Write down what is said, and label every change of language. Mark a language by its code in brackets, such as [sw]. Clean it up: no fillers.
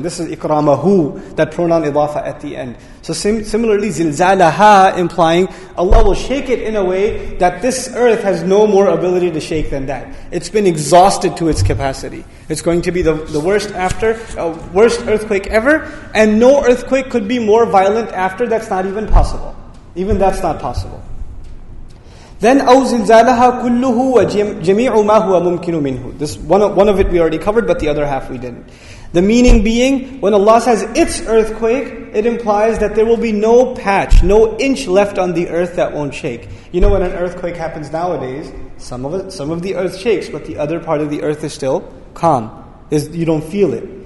[en] This is ikramahu, that pronoun idafa at the end. So similarly, zilzalaha, implying Allah will shake it in a way that this earth has no more ability to shake than that. It's been exhausted to its capacity. It's going to be the worst earthquake ever, and no earthquake could be more violent after. That's not even possible. Even that's not possible. Then [ar] أَوْ زِلْزَالَهَا كُلُّهُ وَجَمِيعُ مَا هُوَ مُمْكِنُ مِنْهُ. [en] This one of it we already covered, but the other half we didn't. The meaning being, when Allah says it's earthquake, it implies that there will be no patch, no inch left on the earth that won't shake. You know, when an earthquake happens nowadays, some of the earth shakes, but the other part of the earth is still calm. You don't feel it.